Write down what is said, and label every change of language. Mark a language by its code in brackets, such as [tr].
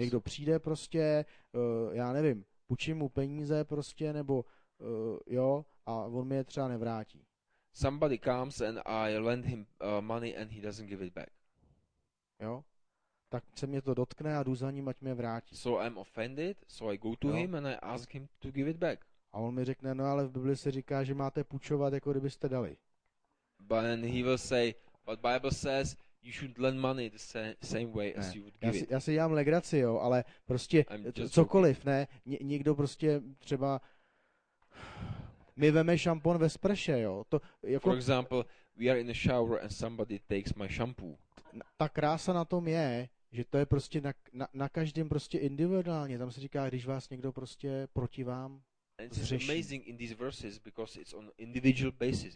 [cs] Někdo přijde prostě, já nevím, půjčím mu peníze prostě, nebo jo, a on mi je třeba nevrátí. [en] Somebody comes and I lend him money and he doesn't give it back. [cs] Jo? Tak se mě to dotkne a jdu za ním, ať mě vrátí. [en] So I'm offended, so I go to jo? him and I ask him to give it back. [cs] A on mi řekne, no ale v Bibli se říká, že máte půjčovat, jako kdybyste dali. [en] But then he will say, but Bible says you should lend money the same way as you would give it. [cs] Já si dělám legraci, jo, ale prostě cokoliv, ne? Někdo prostě třeba mi veme šampon ve sprše, jo. To jako [en] for example, we are in the shower and somebody takes my shampoo. [cs] Ta krása na tom je, že to je prostě na každém prostě individuálně. Tam se říká, když vás někdo prostě proti vám [en] and it's amazing in these verses because it's on individual basis.